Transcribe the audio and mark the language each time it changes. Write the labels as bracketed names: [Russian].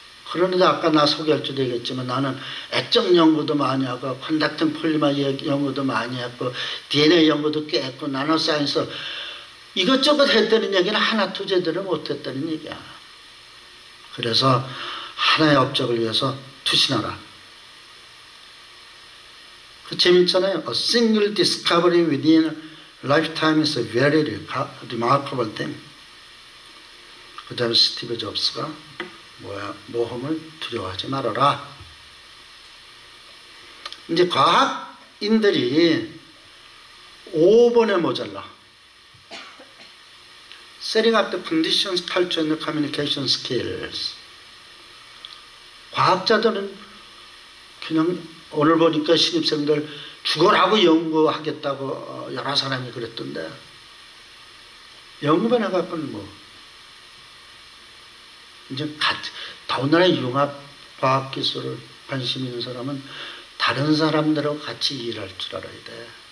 [Korean] 그런데 아까 나 소개할지도 얘기했지만 나는 액정 연구도 많이 하고 컨덕팅 폴리머 연구도 많이 했고 DNA 연구도 꽤 했고 나노사이언스 이것저것 했다는 얘기는 하나 두 제대로 못했다는 얘기야. 그래서 하나의 업적을 위해서 투신하라. 그 재밌잖아요. [English] A single discovery within lifetime is a very remarkable thing. [Korean] 그 다음에 스티브 잡스가 뭐야, 모험을 두려워하지 말아라. 이제 과학인들이 5번에 모자라. [English] Setting up the conditions, culture and communication skills. [Korean] 과학자들은 그냥 오늘 보니까 신입생들 죽어라고 연구하겠다고 여러 사람이 그랬던데 연구반에 갖고는 뭐 이제 더군다나 융합과학기술을 관심 있는 사람은 다른 사람들하고 같이 일할 줄 알아야 돼.